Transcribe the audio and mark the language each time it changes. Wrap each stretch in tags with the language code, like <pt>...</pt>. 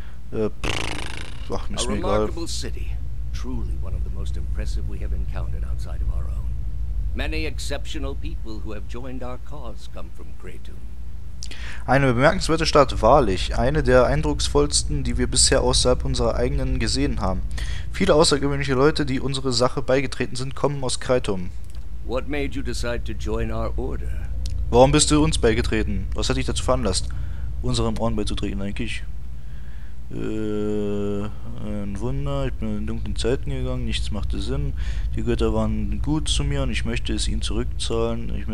<de>Ist mir egal.</de> <en>A remarkable city, truly one of the most impressive we have encountered outside of our own. Many exceptional people who have joined our cause come from Kratum.</en> <de>Eine bemerkenswerte Stadt, wahrlich. Eine der eindrucksvollsten, die wir bisher außerhalb unserer eigenen gesehen haben. Viele außergewöhnliche Leute, die unsere Sache beigetreten sind, kommen aus Kratum.</de> <en>What made you decide to join our order?</en> <de>Warum bist du uns beigetreten? Was hat dich dazu veranlasst, unserem Orden beizutreten, denke ich? Ein Wunder, ich bin in dunklen Zeiten gegangen, nichts machte Sinn. Die Götter waren gut zu mir und ich möchte es ihnen zurückzahlen.</de>